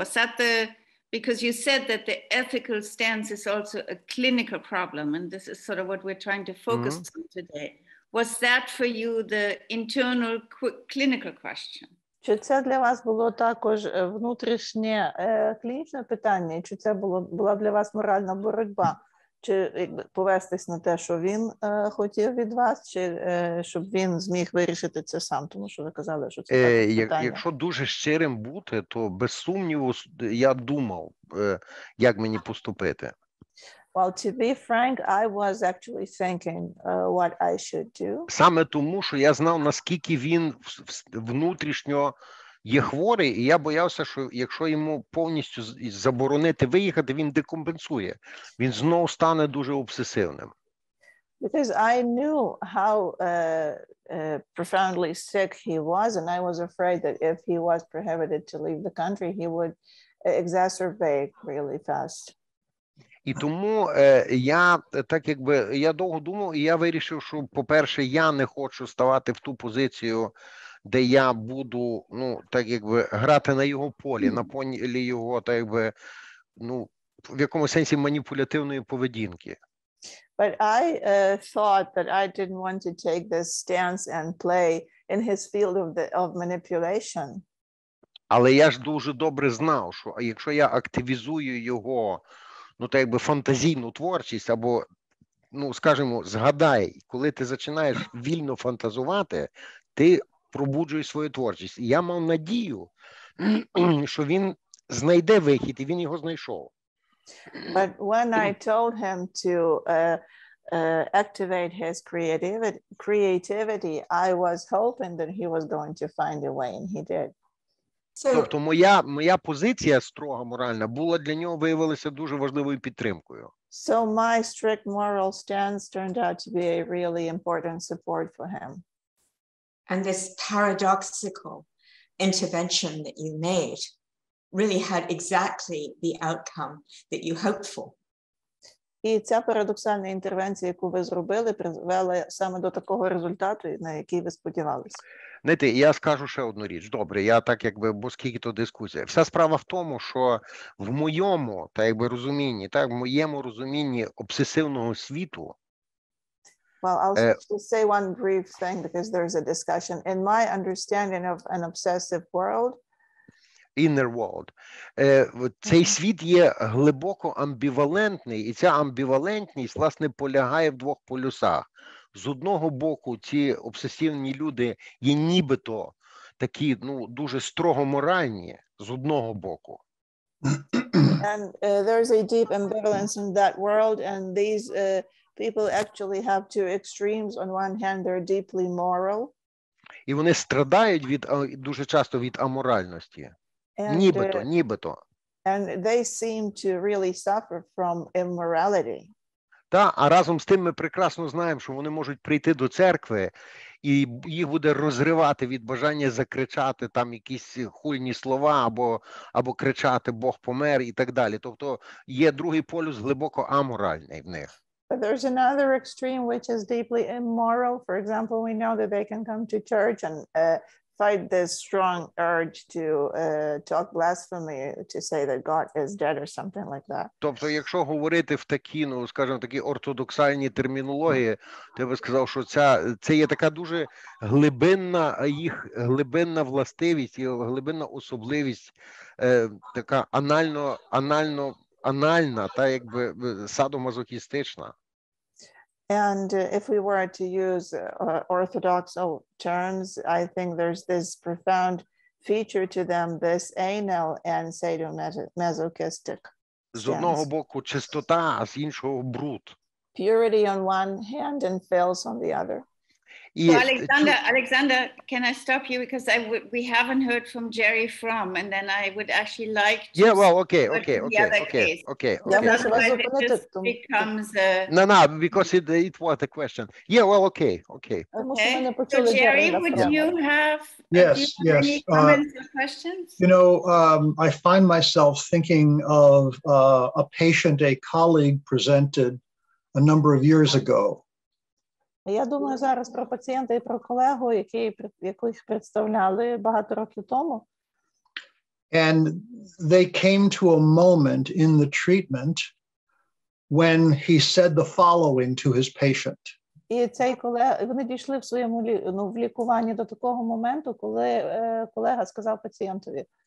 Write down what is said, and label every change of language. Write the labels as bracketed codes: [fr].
[en] Was that the, because you said that the ethical stance is also a clinical problem, and this is sort of what we're trying to focus mm-hmm. on today. Was that for you the internal clinical question? [uk] Чи це для вас було також внутрішнє клінічне питання? Чи це була для вас моральна боротьба? Чи повестись на те, що він хотів від вас, чи щоб він зміг вирішити це сам? Тому що ви казали, що це таке питання. Якщо дуже щирим бути, то без сумніву я думав, як мені поступити. [en] Well, to be frank, I was actually thinking what I should do. [uk] Саме тому, що я знав, наскільки він внутрішньо є хворий, і я боявся, що якщо йому повністю заборонити виїхати, він декомпенсує. Він знову стане дуже обсесивним. [en] Because I knew how profoundly sick he was, and I was afraid that if he was prohibited to leave the country, he would exacerbate really fast. [uk] І тому я так якби я довго думав, і я вирішив, що по-перше, я не хочу ставати в ту позицію, де я буду, ну так якби грати на його полі, на полі його, так якби, ну в якомусь сенсі маніпулятивної поведінки. [en] But I thought that I didn't want to take this stance and play in his field of manipulation. [uk] Але я ж дуже добре знав, що якщо я активізую його, ну так якби фантазійну творчість, або, ну скажімо, згадай, коли ти починаєш вільно фантазувати, ти пробуджуєш свою творчість. Я мав надію, що він знайде вихід, і він його знайшов. [en] But when I told him to activate his creativity, I was hoping that he was going to find a way, and he did. [uk] So, тобто моя позиція строга моральна була для нього виявилася дуже важливою підтримкою. [en] So my strict moral stance turned out to be a really important support for him. And this paradoxical intervention that you made really had exactly the outcome that you hoped for. [uk] І ця парадоксальна інтервенція, яку ви зробили, призвела саме до такого результату, на який ви сподівалися. Знаєте, я скажу ще одну річ. Добре, я так якби, бо скільки то дискусія. Вся справа в тому, що в моєму, так якби, розумінні, так, в моєму розумінні обсесивного світу. [en] Well, I'll just say one brief thing because there's a discussion. In my understanding of an obsessive world, inner world. [uk] Цей світ є глибоко амбівалентний, і ця амбівалентність, власне, полягає в двох полюсах. З одного боку, ці обсесивні люди є нібито такі, ну, дуже строго моральні, з одного боку. [en] And there's a deep ambivalence in that world, and these people actually have two extremes. On one hand, they're deeply moral. [uk] І вони страждають від дуже часто від аморальності. Нібито, нібито. [en] And they seem to really suffer from immorality. [uk] Та, а разом з тим ми прекрасно знаємо, що вони можуть прийти до церкви і їх буде розривати від бажання закричати там якісь хульні слова або кричати «Бог помер» і так далі. Тобто є другий полюс глибоко аморальний в них. [en] But there's another extreme which is deeply immoral. For example, we know that they can come to church and fight this strong urge to talk blasphemy, to say that God is dead or something like that. [uk] Тобто, якщо говорити в такі, ну, скажімо, такі ортодоксальні термінології, ти би сказав, що це є така дуже глибинна, їх глибинна властивість і глибинна особливість, така анальна, та якби садомазохістична. [en] And if we were to use orthodox terms, I think there's this profound feature to them, this anal and sadomasochistic stance. [uk] З одного боку чистота, а з іншого бруд. [en] Purity on one hand and filth on the other. Yes. Well, Oleksandr, can I stop you? Because we haven't heard from Jerry Fromm, and then I would actually like to... Yeah, well, okay. No, because it was a question. Yeah, well, okay. So, Jerry, would you have any comments or questions? You know, I find myself thinking of a patient a colleague presented a number of years ago. [uk] Я думаю зараз про пацієнта і про колегу, яких представляли багато років тому. [en] And they came to a moment in the treatment when he said the following to his patient. [uk] І цей колега, вони дійшли в своєму, ну, в лікуванні до такого моменту, коли колега сказав пацієнтові: